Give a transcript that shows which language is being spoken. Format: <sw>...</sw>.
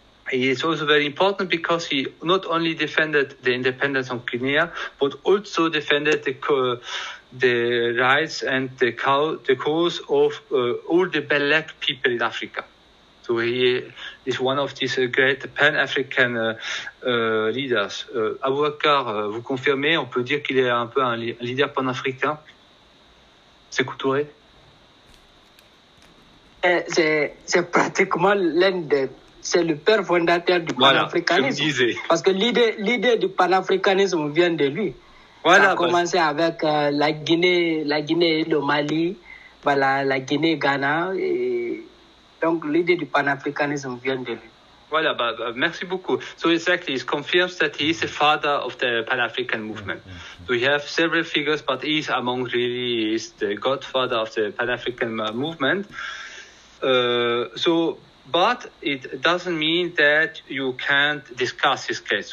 <en>He is also very important because he not only defended the independence of Guinea, but also defended the rights and the cause of all the black people in Africa. So he is one of these great Pan-African leaders.</en> <fr>Aboubacar, vous confirmez, on peut dire qu'il est un peu un leader pan-africain, Sékou Touré? C'est pratiquement l'un des... C'est le père fondateur du pan-africanisme. Voilà, je me disais. Parce que l'idée du pan-africanisme vient de lui. Voilà, ça a commencé avec la Guinée, le Mali, voilà, la Guinée, Ghana... Donc l'idée du pan-africanisme vient de lui. Voilà, merci beaucoup.</fr> <en>So exactly, it confirms that he is the father of the Pan-African movement. So we have several figures, but he is among really is the godfather of the Pan-African movement. But it doesn't mean that you can't discuss his case.</en>